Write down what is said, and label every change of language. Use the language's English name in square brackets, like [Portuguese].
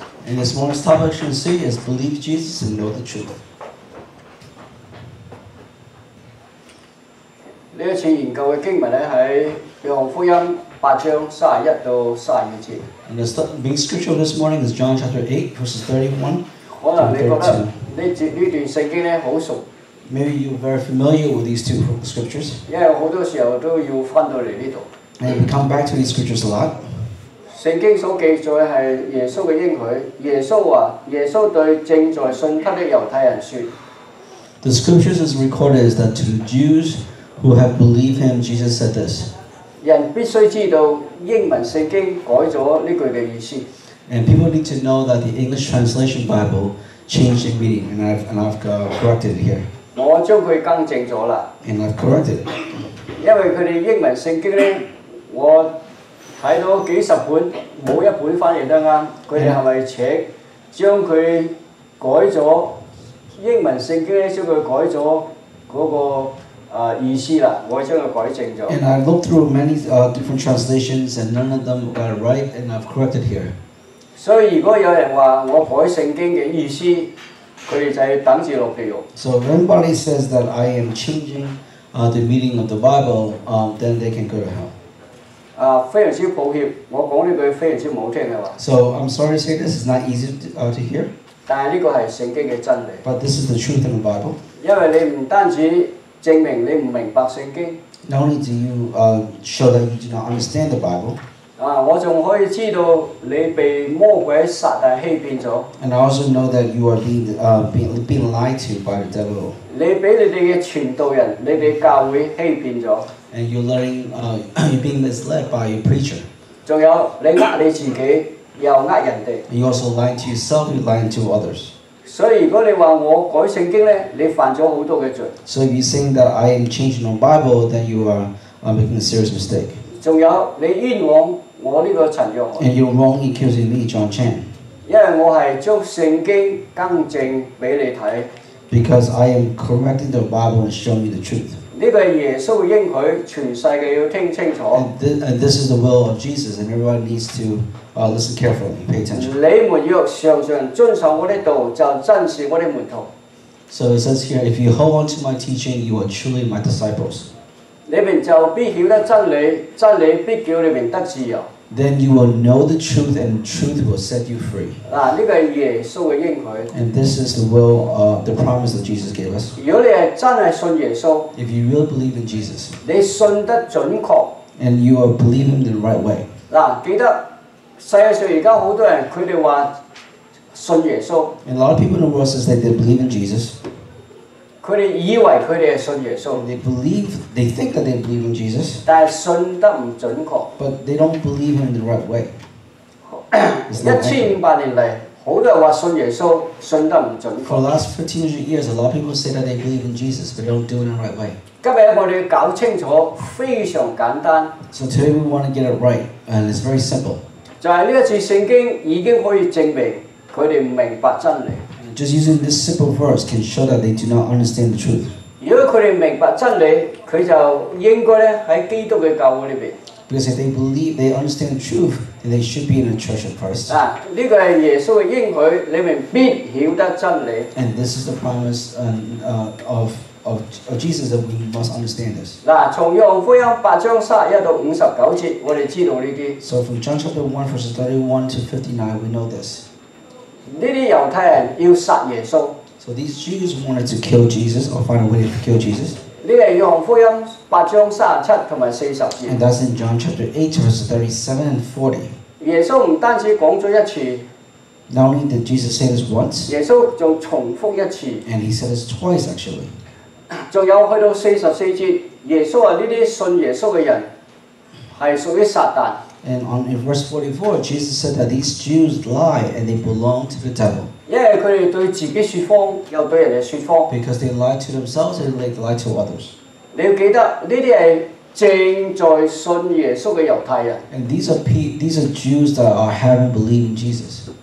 [English] And this morning's topic should say is believe Jesus and know the truth。 [Cantonese] 呢一次研究嘅经文咧喺约翰福音八章三十一到三十二节。 [English] And the main scripture this morning is John chapter 8 verses 31。 [Cantonese] 可能你覺得呢段聖經咧好熟。 [English] Maybe you're very familiar with these two scriptures. [Cantonese] 因為好多時候都要翻到嚟呢度。 [English] And we come back to these scriptures a lot. [Cantonese] 聖經所記載係耶穌嘅應許。耶穌話：耶穌對正在信他的猶太人説。 [English] The scriptures is recorded is that to the Jews who have believed him, Jesus said this. [Cantonese] 人必須知道英文聖經改咗呢句嘅意思。 [English] And people need to know that the English translation Bible changed the meaning, and I've corrected it here. [Cantonese] 我將佢更正咗啦。 [English] And I've corrected. [Cantonese] 因為佢哋英文聖經咧，我睇到幾十本，冇一本翻譯得啱。佢哋係咪扯？將佢改咗英文聖經咧，將佢改咗嗰、那個意思啦。我將佢改正咗。 [English] And I've looked through many different translations, and none of them got it right, and I've corrected here. [Cantonese] 所以如果有人話我改聖經嘅意思，佢哋就係等住落地獄。 [English] So if anybody says that I am changing the meaning of the Bible, then they can go to hell. [Cantonese] 非常之抱歉，我講呢句非常之唔好聽嘅話。 [English] So I'm sorry to say this is not easy to hear. [Cantonese] 但係呢個係聖經嘅真理。 [English] But this is the truth in the Bible. [Cantonese] 因為你唔單止證明你唔明白聖經。 [English] Not only do you show that you do not understand the Bible. [Cantonese] 我仲可以知道你被魔鬼撒旦欺騙咗。 [English] And I also know that you are being lied to by the devil. [Cantonese] 你俾你哋嘅傳道人，你哋教會欺騙咗。 [English] And you're learning, you're being misled by your preacher. [Cantonese] 仲有你呃你自己，又呃人哋。 [English] And you also lie to yourself, you're lying to others. [Cantonese] 所以如果你話我改聖經咧，你犯咗好多嘅罪。 [English] So if you say that I am changing the Bible, then you are making a serious mistake. [Cantonese] 仲有你冤枉我呢個陳若翰。 [English] And you're wrong accusing me, John Chen. [Cantonese] 因為我係將聖經更正俾你睇。 [English] Because I am correcting the Bible and showing you the truth. [Cantonese] 呢個耶穌應許，全世界要聽清楚。 [English] And this is the will of Jesus, and everyone needs to listen carefully, pay attention. [Cantonese] 你們若常常遵守我的道，就真是我的門徒。 [English] So it says here, if you hold on to my teaching, you are truly my disciples. [Cantonese] 你们就必晓得真理，真理必叫你们得自由。 [English] Then you will know the truth, and truth will set you free. [Cantonese] 呢个系耶稣嘅应许。 [English] And this is the will, the promise that Jesus gave us. [Cantonese] 如果你系真系信耶稣 [English] ，If you really believe in Jesus, [Cantonese] 你信得准确 [English] ，And you are believing the right way. [Cantonese] 记得世界上而家好多人，佢哋话信耶稣。 [English] And a lot of people in the world says that they believe in Jesus. [Cantonese] 佢哋以為佢哋係信耶穌。 [English] They believe, they think that they believe in Jesus. [Cantonese] 但係信得唔準確。 [English] But they don't believe in the right way. [Cantonese] 1500年嚟，好多人話信耶穌，信得唔準確。 [English] For the last 1500 years, a lot of people say that they believe in Jesus, but they don't do it in the right way. [Cantonese] 今日我哋要搞清楚，非常簡單。 [English] So today we want to get it right, and it's very simple. [Cantonese] 就係呢一次聖經已經可以證明佢哋唔明白真理。 [English] Just using this simple verse can show that they do not understand the truth. [Cantonese] 如果佢哋明白真理，佢就應該咧喺基督嘅教會裏邊。 [English] Because if they believe, they understand the truth, then they should be in the church of Christ. [Cantonese] 呢個係耶穌嘅應許，你們必曉得真理。 [English] And this is the promise of Jesus that we must understand this. [Cantonese] 從約翰福音八章三十一到五十九節，我哋知道呢啲。 [English] So from John chapter 1 verses 31 to 59, we know this. [Cantonese] 呢啲猶太人要殺耶穌。 [English] So these Jews wanted to kill Jesus or find a way to kill Jesus. [Cantonese] 呢個係約翰福音八章三十七同埋四十節。 [English] And that's in John chapter 8 verses 37 and 40. [Cantonese] 耶穌唔單止講咗一次。 [English] Not only did Jesus say this once. [Cantonese] 耶穌仲重複一次。 [English] And he said this twice actually. [Cantonese] 仲有去到四十四節，耶穌話呢啲信耶穌嘅人係屬於撒旦。 [English] And on in verse 44, Jesus said that these Jews lie and they belong to the devil. [Cantonese] 因為佢哋對自己説謊，又對人哋説謊。 [English] Because they lie to themselves and they lie to others. [Cantonese] 你要記得呢啲係正在信耶穌嘅猶太人。 [English] And these are Jews that are having believed in Jesus.